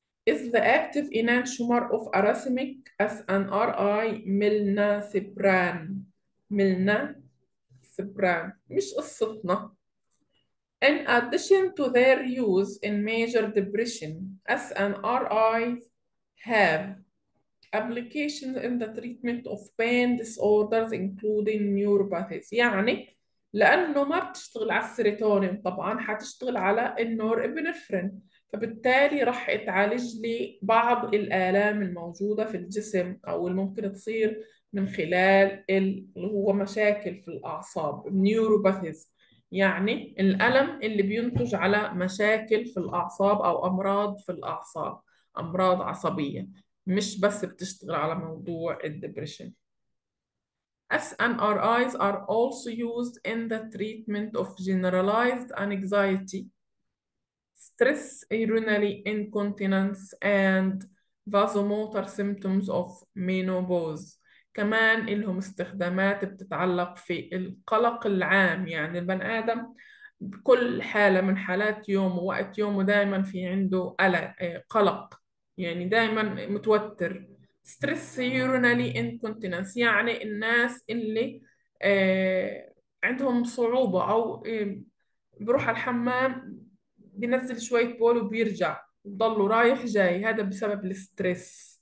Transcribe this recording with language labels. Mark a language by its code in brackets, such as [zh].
[en] Is the active enantiomer of racemic SNRI milnacipran. [ar] Milnacipran مش قصتنا. [en] In addition to their use in major depression, SNRIs have applications in the treatment of pain disorders including neuropathies. [ar] يعني لأنه ما بتشتغل على السيروتونين طبعا، حتشتغل على النورإبينفرين، فبالتالي راح تعالج لي بعض الآلام الموجودة في الجسم أو اللي ممكن تصير من خلال هو مشاكل في الأعصاب، نيوروباثيز، يعني الألم اللي بينتج على مشاكل في الأعصاب أو أمراض في الأعصاب، أمراض عصبية، مش بس بتشتغل على موضوع الدبريشن. [en] SNRIs are also used in the treatment of generalized anxiety, stress urinary incontinence, and vasomotor symptoms of menopause. [ar] كمان لهم استخدامات بتتعلق في القلق العام، يعني البني آدم بكل حالة من حالات يومه ووقت يومه دائما في عنده قلق، يعني دائما متوتر. ستريس يورينالي انكونتيننس يعني الناس اللي عندهم صعوبة، أو بروح على الحمام بينزل شوية بول وبيرجع بضله رايح جاي، هذا بسبب الستريس.